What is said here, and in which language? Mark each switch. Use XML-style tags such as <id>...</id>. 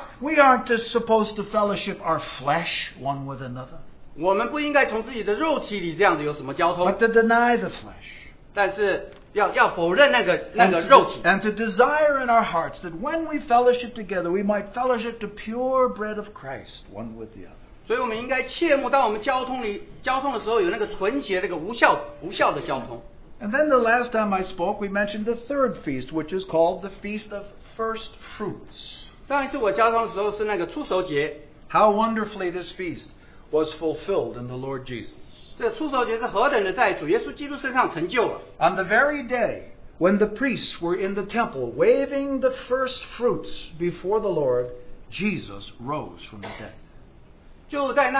<en>We aren't just supposed to fellowship our flesh one with another. But to deny the flesh. And to desire in our hearts that when we fellowship together, we might fellowship the pure bread of Christ, one with the other.</en> <zh>所以我们应该切莫当我们交通的时候有那个纯洁那个无效的交通。</zh> <en>And then the last time I spoke, we mentioned the third feast, which is called the Feast of First Fruits.</en> <zh>上一次我交通的时候是那个初熟节。</zh> <en>How wonderfully this feast was fulfilled in the Lord Jesus. On the very day when the priests were in the temple waving the first fruits before the Lord, Jesus rose from the dead.</en>